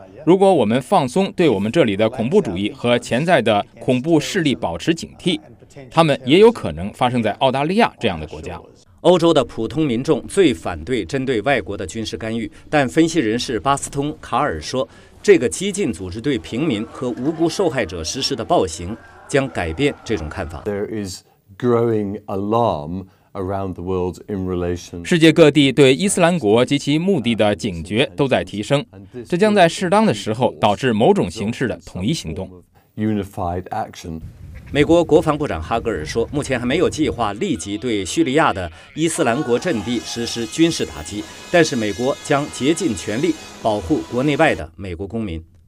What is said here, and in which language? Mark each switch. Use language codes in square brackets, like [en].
[zh] 如果我们放松对我们这里的恐怖主义和潜在的恐怖势力保持警惕，他们也有可能发生在澳大利亚这样的国家。欧洲的普通民众最反对针对外国的军事干预，但分析人士巴斯通·卡尔说，这个激进组织对平民和无辜受害者实施的暴行将改变这种看法。 [en] There is growing alarm around the world in relation. [zh] 世界各地对伊斯兰国及其目的的警觉都在提升，这将在适当的时候导致某种形式的统一行动。 [en] Unified action. [zh] 美国国防部长哈格尔说，目前还没有计划立即对叙利亚的伊斯兰国阵地实施军事打击，但是美国将竭尽全力保护国内外的美国公民。